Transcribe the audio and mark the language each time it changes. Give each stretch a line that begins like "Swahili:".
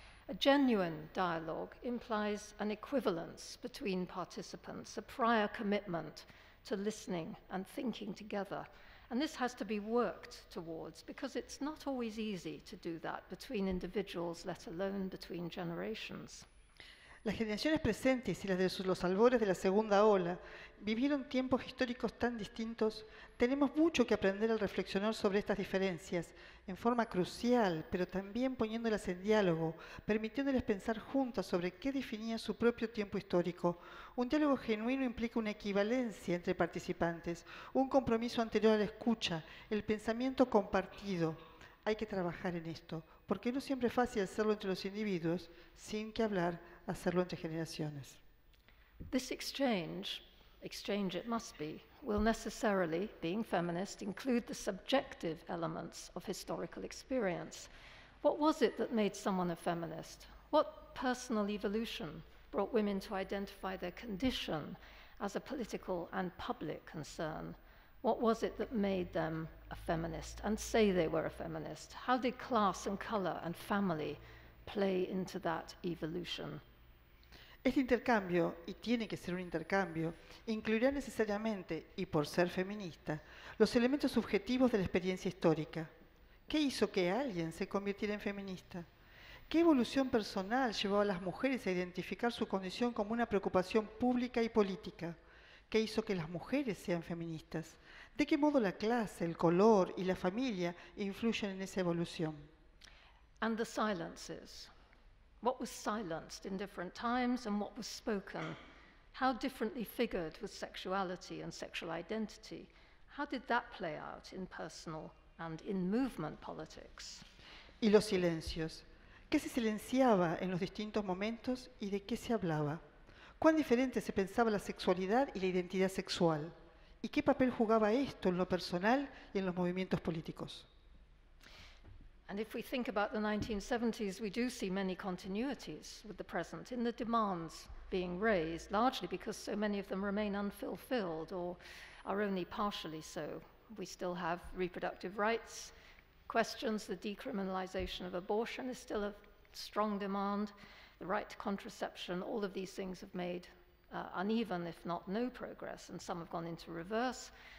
English: A genuine dialogue implies an equivalence between participants, a prior commitment to listening and thinking together. And this has to be worked towards, because it's not always easy to do that between individuals, let alone between generations.
Spanish: Las generaciones presentes y las de los albores de la segunda ola vivieron tiempos históricos tan distintos. Tenemos mucho que aprender al reflexionar sobre estas diferencias en forma crucial, pero también poniéndolas en diálogo, permitiéndoles pensar juntas sobre qué definía su propio tiempo histórico. Un diálogo genuino implica una equivalencia entre participantes, un compromiso anterior a la escucha, el pensamiento compartido. Hay que trabajar en esto, porque no siempre es fácil hacerlo entre los individuos, sin que hablar, hacerlo entre generaciones.
English: This exchange it must be, will necessarily, being feminist, include the subjective elements of historical experience. What was it that made someone a feminist? What personal evolution brought women to identify their condition as a political and public concern? What was it that made them a feminist and say they were a feminist? How did class and color and family play into that evolution?
Spanish: Este intercambio, y tiene que ser un intercambio, incluirá necesariamente, y por ser feminista, los elementos subjetivos de la experiencia histórica. ¿Qué hizo que alguien se convirtiera en feminista? ¿Qué evolución personal llevó a las mujeres a identificar su condición como una preocupación pública y política? ¿Qué hizo que las mujeres sean feministas? ¿De qué modo la clase, el color y la familia influyen en esa evolución?
English: And the silences. What was silenced in different times and what was spoken? How differently figured was sexuality and sexual identity? How did that play out in personal and in movement politics?
Spanish: ¿Y los silencios? ¿Qué se silenciaba en los distintos momentos y de qué se hablaba? ¿Cuán diferente se pensaba la sexualidad y la identidad sexual? ¿Y qué papel jugaba esto en lo personal y en los movimientos políticos?
English: And if we think about the 1970s, we do see many continuities with the present in the demands being raised, largely because so many of them remain unfulfilled or are only partially so. We still have reproductive rights questions, the decriminalization of abortion is still a strong demand, the right to contraception, all of these things have made uneven, if not no progress, and some have gone into reverse.